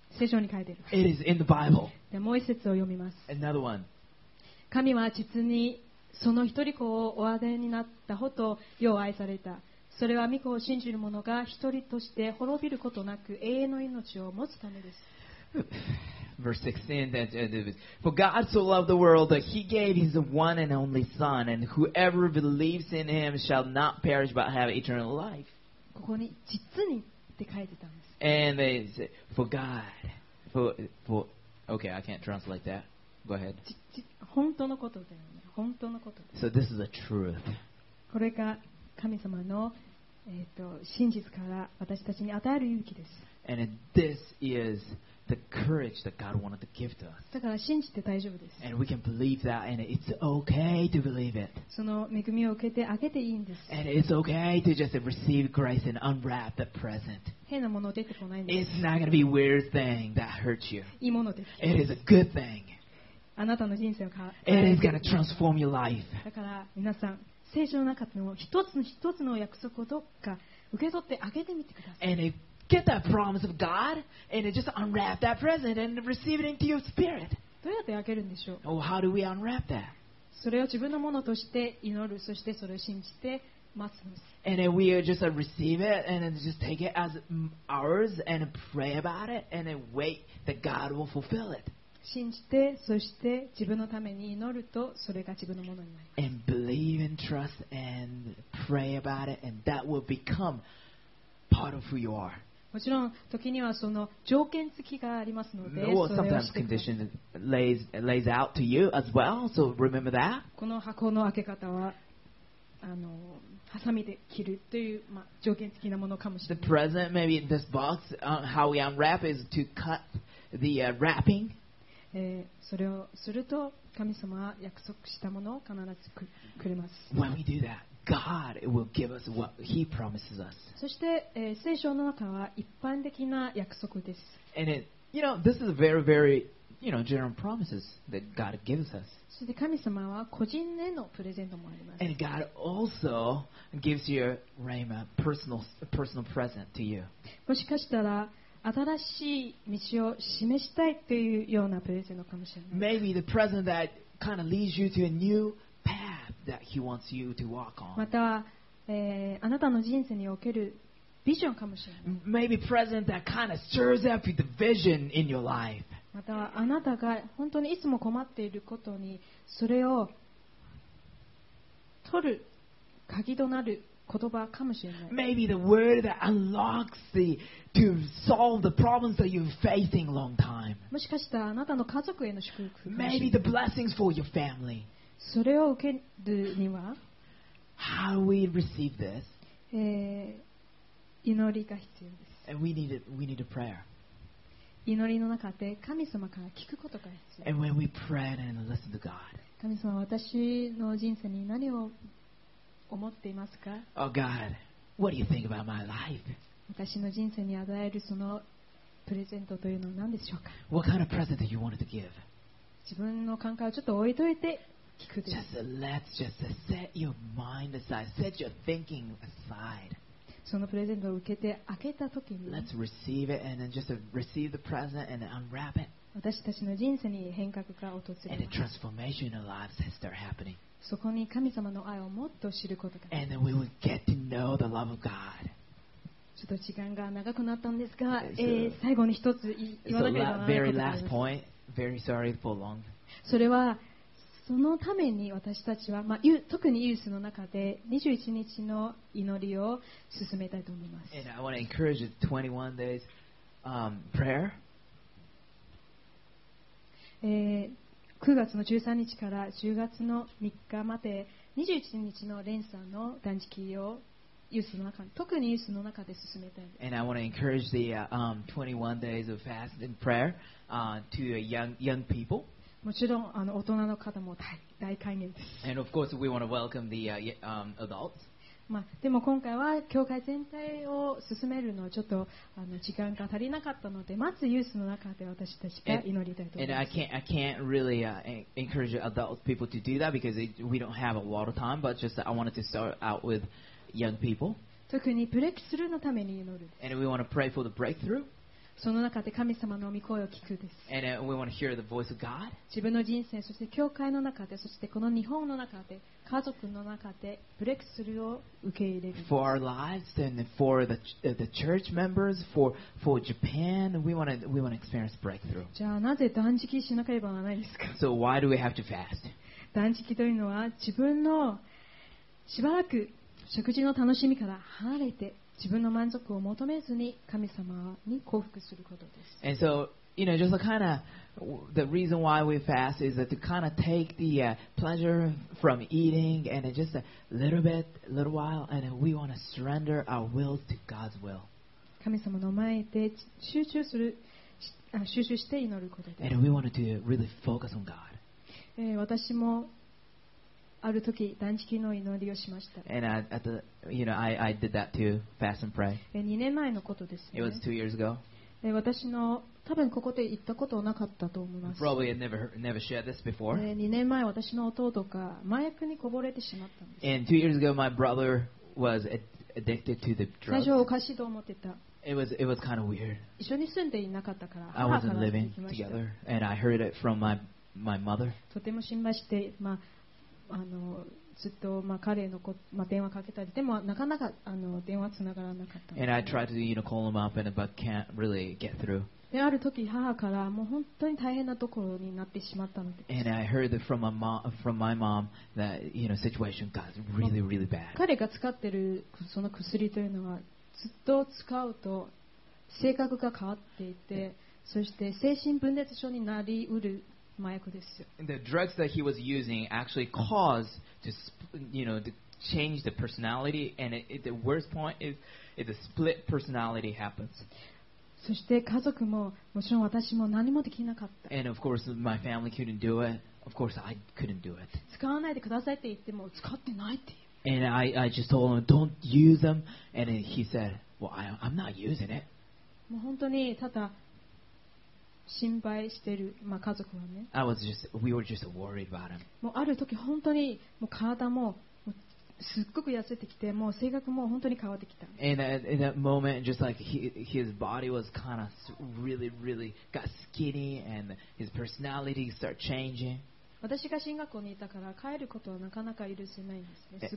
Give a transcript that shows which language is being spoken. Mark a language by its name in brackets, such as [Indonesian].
[Japanese] 聖書に書いている。 [English] It is in the Bible. [Japanese] でもう一節を読みます。 [English] Another one. [Japanese] 神は実にその一人子をお与えになったほどよう愛された。それは御子を信じる者が一人として滅びることなく永遠の命を持つためです。 [English] Verse 16 that, For God so loved the world that he gave his one and only son, and whoever believes in him shall not perish but have eternal life. [Japanese] ここに実にって書いてたんです。 [English] And they say, for God, for okay, I can't translate that. Go ahead. [Japanese] 本当のことだよね。本当のことだよね。 [English] So this is the truth. [Japanese] これが神様の真実から私たちに与える勇気です。 [English] And this is the courage that God wanted to give to us. [Japanese] だから信じて大丈夫です。 [English] And we can believe that, and it's okay to believe it. [Japanese] その恵みを受けてあげていいんです。 [English] And it's okay to just receive grace and unwrap the present. [Japanese] 変なもの出てこないんです。 [English] It's not gonna be a weird thing that hurts you. [Japanese] いいものです。 [English] It is a good thing. [Japanese] あなたの人生を変える。 [English] It is gonna transform your life. [Japanese] だから皆さん。聖書の中の一つの一つの約束をどっか受け取ってあげてみてください。 [English] And get that promise of God and just unwrap that present and receive it into your spirit. [Japanese] どうやって開けるんでしょう。 [English] Oh, how do we unwrap that? [Japanese] それを自分のものとして祈る、そしてそれを信じて待つんです。 [English] And we just receive it and just take it as ours and pray about it and wait that God will fulfill it. [Japanese] 信じて、そして自分のために祈ると、それが自分のものになります。 [English] And believe and trust and pray about it, and that will become part of who you are. [Japanese] もちろん、時にはその条件付きがありますので、それをして。 [English] Sometimes condition lays out to you as well, so remember that. [Japanese] この箱の開け方は、ハサミで切るという、まあ、条件付きなものかもしれない。 [English] The present maybe in this box, how we unwrap is to cut the wrapping. [Japanese] それをすると神様は約束したものを必ず くれます。 [English] When we do that, God will give us what He promises us. [Japanese] そして、聖書の中は一般的な約束です。 [English] And it, you know, this is very, very, you know, general promises that God gives us. [Japanese] そして神様は個人へのプレゼントもあります。 [English] And God also gives your rhema personal present to you. [Japanese] もしかしたら新しい道を示したいというようなプレゼントかもしれない。 [English] Maybe the present that kind of leads you to a new path that He wants you to walk on. [Japanese] または、あなたの人生におけるビジョンかもしれない。 [English] Maybe present that kind of stirs up the vision in your life. [Japanese] またはあなたが本当にいつも困っていることにそれを取る鍵となる。 [English] Maybe the word that unlocks the to solve the problems that you're facing long time. [Japanese] もしかしたらあなたの家族への祝福。 [English] Maybe the blessings for your family. [Japanese] それを受けるには、 [English] How do we receive this? [Japanese] 祈りが必要です。 [English] And we need a prayer. [Japanese] 祈りの中で神様から聞くことが必要です。 [English] And when we pray and listen to God. [Japanese] 神様、私の人生に何を思っていますか? [English] Oh God, what do you think about my life? [Japanese] 私の人生に与えるそのプレゼントというのは何でしょうか? [English] What kind of present do you want to give? [Japanese] 自分の感覚をちょっと置いといて聞くです。 [English] Just let's just set your mind aside, set your thinking aside. [Japanese] そのプレゼントを受けて開けた時に [English] Let's receive it and then just receive the present and unwrap it. [Japanese] 私たちの人生に変革が訪れます。 [English] And a transformation in our lives has started happening. [Japanese] そこに神様の愛をもっと知ることができます。 [English] And we will get to know the love of God. [Japanese] ちょっと時間が長くなったんですが、最後に一つ言わなければならないことです。 [English] Very last point. Very sorry for long. [Japanese] それはそのために私たちは、まあ、特にユースの中で21日の祈りを進めたいと思います。 [English] And I want to encourage the 21 days prayer. [Japanese] 9月の13日から10月の3日まで21日の連鎖の断食をユースの中特にユースの中で進めたいです。 [English] And I want to encourage the 21 days of fast and prayer to young people. [Japanese] もちろんあの大人の方も 大歓迎です。 [English] And of course we want to welcome the adults. [Japanese] まあでも今回は教会全体を進めるのはちょっとあの時間が足りなかったのでまずユースの中で私たちが祈りたいと思います。 [English] And I can't really encourage adult people to do that because we don't have a lot of time. But just I wanted to start out with young people. [Japanese] 特にブレイクスルーのために祈るです。 [English] And we want to pray for the breakthrough. [Japanese] その中で神様の御声を聞くです。 [English] And we want to hear the voice of God. [Japanese] 自分の人生そして教会の中でそしてこの日本の中で。家族の中でブレイクスルーを受け入れる。 [English] For our lives and for the church members, for Japan, we want to experience breakthrough. [Japanese] じゃあなぜ断食しなければならないですか? [English] So why do we have to fast? [Japanese] 断食というのは自分のしばらく食事の楽しみから離れて自分の満足を求めずに神様に降伏することです。 [English] And so, you know, just kind of the reason why we fast is that to kind of take the pleasure from eating and just a little bit, little while, and we want to surrender our wills to God's will. [Japanese] 神様の前で集中する、集中して祈ることです。 [English] And we want to really focus on God. [Japanese] 私もある時断食の祈りをしました。 [English] And at the, you know, I did that too, fast and pray. [Japanese] 2年前のことですね。 [English] It was 2 years ago. [Japanese] 私の多分ここで言ったことはなかったと思います。 [English] Probably never shared this before. [Japanese] 2年前私の弟が麻薬にこぼれてしまったんです。 [English] And 2 years ago, my brother was addicted to the drugs. [Japanese] 最初おかしいと思ってた。 [English] It was kind of weird. [Japanese] 一緒に住んでいなかったから。 [English] I wasn't living together, and I heard it from my mother. [Japanese] とても心配して、まあ。ずっと、まあ、彼のこ、まあ、電話かけたりでもなかなか電話つながらなかった。 [English] And I tried to, you know, call him up and, but can't really get through. [Japanese] で、ある時母からもう本当に大変なところになってしまったので。 [English] And I heard from my mom that, you know, situation got really, really bad. [Japanese] 彼が使ってるその薬というのはずっと使うと性格が変わっていて、そして精神分裂症になりうる。 [English] The drugs that he was using actually caused to, you know, to change the personality, and it, the worst point is if the split personality happens. [Japanese] そして家族ももちろん私も何もできなかった。 [English] And of course, my family couldn't do it. Of course, I couldn't do it. [Japanese] 使わないでくださいって言っても使ってないっていう。 [English] And I just told him, don't use them. And he said, well, I'm not using it. [Japanese] もう本当にただ心配してる、まあ、家族はね。 [English] I was just, we were just worried about him. [Japanese] もうある時本当にもう体もすっごく痩せてきて、もう性格も本当に変わってきた。 [English] And in that moment, just like his body was kind of really, really got skinny, and his personality started changing. [Japanese] 私が進学校にいたから帰ることはなかなか許せないんですね。